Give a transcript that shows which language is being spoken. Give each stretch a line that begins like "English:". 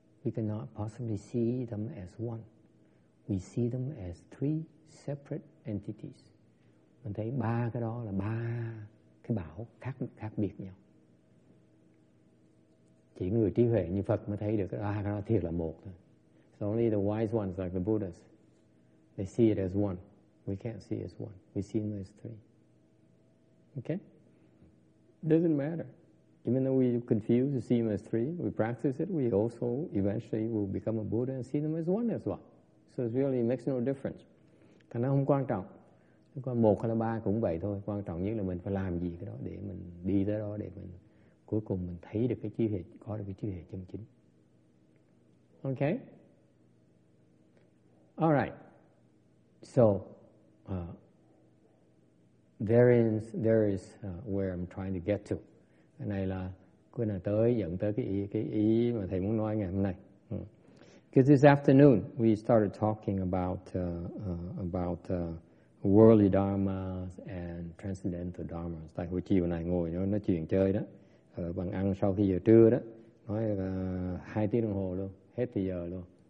English: We cannot possibly see them as one. We see them as three separate entities.
Vietnamese: Mình thấy ba cái đó là ba cái bảo khác biệt nhau. Chỉ người trí huệ như Phật mới thấy được ba cái đó thiệt là một thôi.
English: So only the wise ones like the Buddhas, they see it as one. We can't see it as one. We see them as three. Okay? Doesn't matter. Even though we're confused to see them as three, we practice it, we also eventually will become a Buddha and see them as one as well. So it really makes no difference.
Vietnamese: Thì nó không quan trọng. Còn một hay là ba cũng vậy thôi. Quan trọng nhất là mình phải làm gì cái đó để mình đi tới đó, để mình cuối cùng mình thấy được cái trí huệ, có được cái trí huệ chân chính.
English: Okay? All right. So, There is where I'm trying to get to.
Vietnamese: Cái này là cái này tới dẫn tới cái ý mà thầy muốn nói ngày hôm nay.
English: Because this afternoon we started talking about worldly dharmas and transcendental dharmas.
Vietnamese: Tại buổi chiều này ngồi nói chuyện chơi đó, bằng ăn sau khi giờ trưa đó, nói 2 tiếng đồng hồ luôn, hết thì giờ luôn.